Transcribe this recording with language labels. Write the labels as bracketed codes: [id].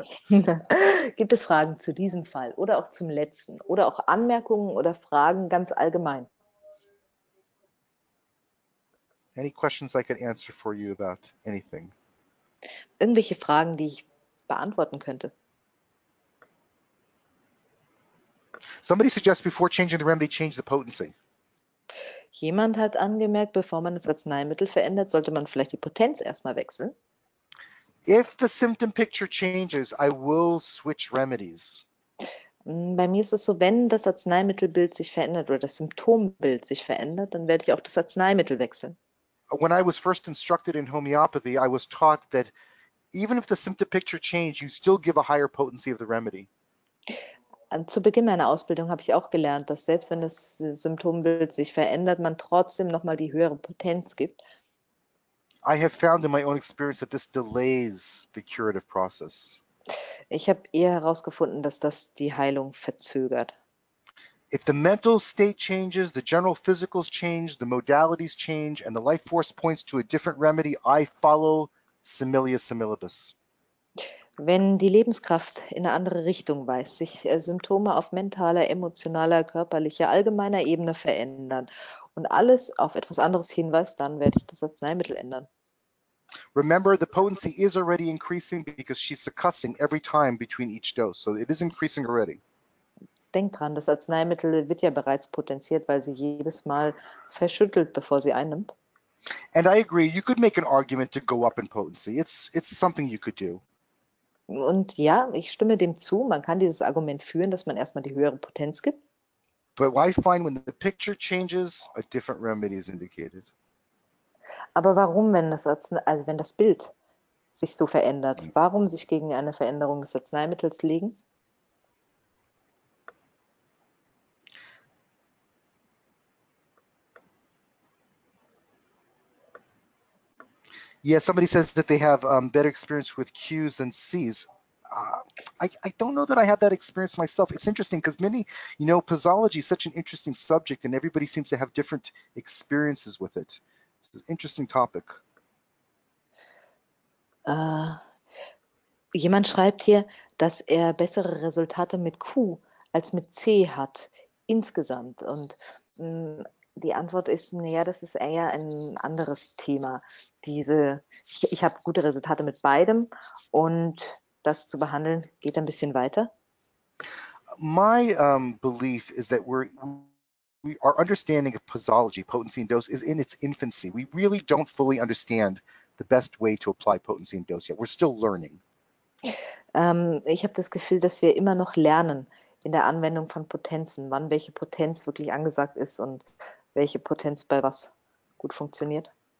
[de] Gibt es Fragen zu diesem Fall oder auch zum letzten oder auch Anmerkungen oder Fragen ganz allgemein? [en] Any questions I can answer for you about anything? [de] Irgendwelche Fragen, die ich beantworten könnte? [en] Somebody suggests before changing the remedy, change the potency. [de] Jemand hat angemerkt, bevor man das Arzneimittel verändert, sollte man vielleicht die Potenz erstmal wechseln. [en] If the symptom picture changes, I will switch remedies. [de] Bei mir ist es so, wenn das Arzneimittelbild sich verändert oder das Symptombild sich verändert, dann werde ich auch das Arzneimittel wechseln. [en] When I was first instructed in homeopathy, I was taught that even if the symptom picture changed, you still give a higher potency of the remedy. [de] Zu Beginn meiner Ausbildung habe ich auch gelernt, dass selbst wenn das Symptombild sich verändert, man trotzdem noch mal die höhere Potenz gibt. [en] I have found in my own experience that this delays the curative process. [de] Ich habe eher herausgefunden, dass das die Heilung verzögert. [en] If the mental state changes, the general physicals change, the modalities change, and the life force points to a different remedy, I follow similia similibus. [de] Wenn die Lebenskraft in eine andere Richtung weist, sich Symptome auf mentaler, emotionaler, körperlicher, allgemeiner Ebene verändern und alles auf etwas anderes hinweist, dann werde ich das Arzneimittel ändern. [en] Remember, the potency is already increasing because she's succussing every time between each dose. So it is increasing already. [de] Denk dran, das Arzneimittel wird ja bereits potenziert, weil sie jedes Mal verschüttelt, bevor sie einnimmt. [en] And I agree, you could make an argument to go up in potency. It's something you could do. [de] Und ja, ich stimme dem zu, man kann dieses Argument führen, dass man erstmal die höhere Potenz gibt. [en] But I find when the picture changes, a different remedy is indicated. [de] Aber warum, wenn das wenn das Bild sich so verändert, warum sich gegen eine Veränderung des Arzneimittels legen? [en] Yeah, somebody says that they have better experience with Q's than C's. I don't know that I have that experience myself. It's interesting because many, you know, posology is such an interesting subject and everybody seems to have different experiences with it. It's an interesting topic. [de] Jemand schreibt hier, dass er bessere Resultate mit Q als mit C hat, insgesamt. Und die Antwort ist, naja, das ist eher ein anderes Thema. Ich habe gute Resultate mit beidem und das zu behandeln geht ein bisschen weiter. [en] My belief is that our understanding of posology, potency and dose, is in its infancy. We really don't fully understand the best way to apply potency and dose yet. We're still learning. [de] Ich habe das Gefühl, dass wir immer noch lernen in der Anwendung von Potenzen, wann welche Potenz wirklich angesagt ist und welche Potenz bei was gut funktioniert.